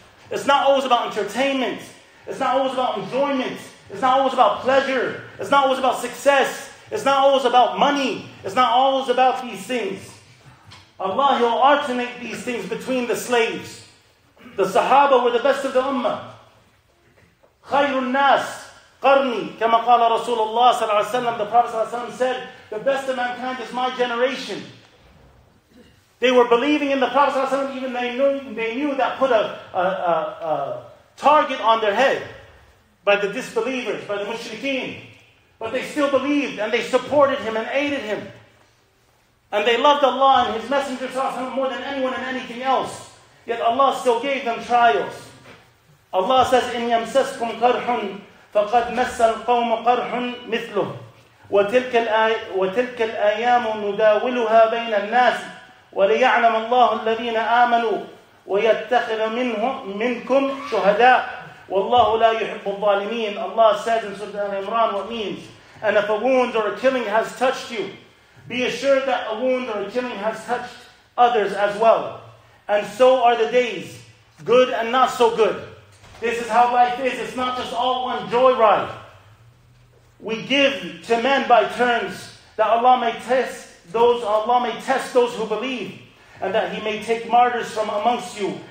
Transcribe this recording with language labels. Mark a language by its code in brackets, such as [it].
[en] It's not always about entertainment. It's not always about enjoyment. It's not always about pleasure. It's not always about success. It's not always about money. It's not always about these things. Allah, He'll alternate these things between the slaves. The Sahaba were the best of the Ummah. [ar] خَيْرُ النَّاسِ قَرْنِي كَمَا قَالَ رَسُولُ اللَّهِ صَلَّى اللَّهُ عَلَيْهِ وَسَلَّمَ [en] The Prophet said, the best of mankind is my generation. They were believing in the Prophet ﷺ, even they knew that put a target on their head by the disbelievers, by the mushrikeen. But they still believed and they supported him and aided him. And they loved Allah and his Messenger ﷺ more than anyone and anything else. Yet Allah still gave them trials. Allah says, [ar] إِنْ يَمْسَسْكُمْ قَرْحٌ فَقَدْ مَسَّ الْقَوْمُ قَرْحٌ مِثْلُهُ وَتِلْكَ الْآيَامُ نُدَاوِلُهَا بَيْنَ النَّاسِ وليعلم الله الذين آمنوا ويتخذ منهم منكم شهداء والله لا يحب الظالمين. [en] Allah says in Surah Al-Imran what means, and if a wound or a killing has touched you, be assured that a wound or a killing has touched others as well. And so are the days, good and not so good. This is how life is. It's not just all one joyride. We give to men by turns that Allah may test those, Allah may test those who believe, and that He may take martyrs from amongst you.